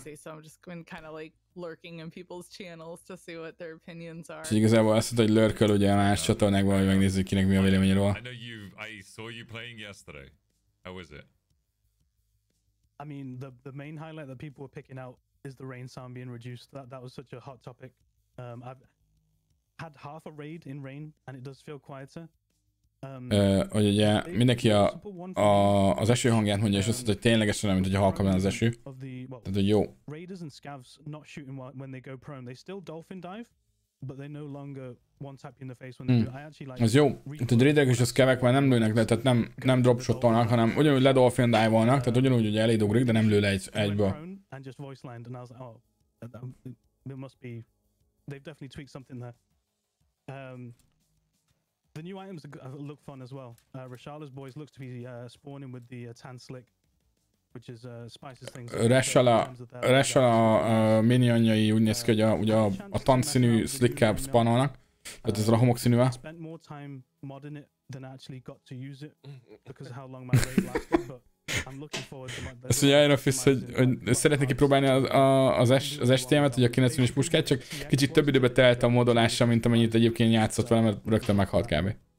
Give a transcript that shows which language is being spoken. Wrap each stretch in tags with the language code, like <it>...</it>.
<en>So I'm just going kind of like lurking in people's channels to see what their opinions are.</en> <hu>Csak igazából azt mondta, hogy lurkel ugye a más csatornákban, hogy megnézzük, kinek mi a véleménye róla.</hu> <en>I know I saw you playing yesterday. How was it? I mean, the main highlight that people were picking out is the rain sound being reduced. That was such a hot topic. I've had half a raid in rain and it does feel quieter.</en> <hu>Hogy ugye mindenki az eső hangját mondja, és azt mondja, hogy ténylegesen, mint hogy halkabban az eső. Tehát, hogy jó.</hu> <en>Raiders and scavs not shooting when they go prone. They still dolphin dive, but they no longer one tap in the face when they do. I actually like.</en> <hu>Ez jó. Tehát a raiderek és a scavek már nem lőnek le, tehát nem dropshotolnak, hanem ugyanúgy le dolphin dive-olnak, tehát ugyanúgy, hogy elé dugrik, de nem lő le egyből.</hu> <en>And just voice land, and I was like, oh, there must be, they've definitely tweaked something there. The new items look fun as well. Rashala's boys looks to be spawning with the tan slick, which is spices things.</en> <hu>Rashala minionjai úgy néz ki, hogy a tan színű slickkel spawnolnak. Tehát ez a homok színűvel.</hu> <en>Spent more time modding it than actually got to use it because of how long my raid lasted, but I'm looking forward to my better.</en> <hu>Ezt mondja IronFist, hogy szeretné kipróbálni az STM-et, hogy a 90-es puskát, csak kicsit több időbe telt a modolása, mint amennyit egyébként játszott vele, mert rögtön meghalt kb.</hu>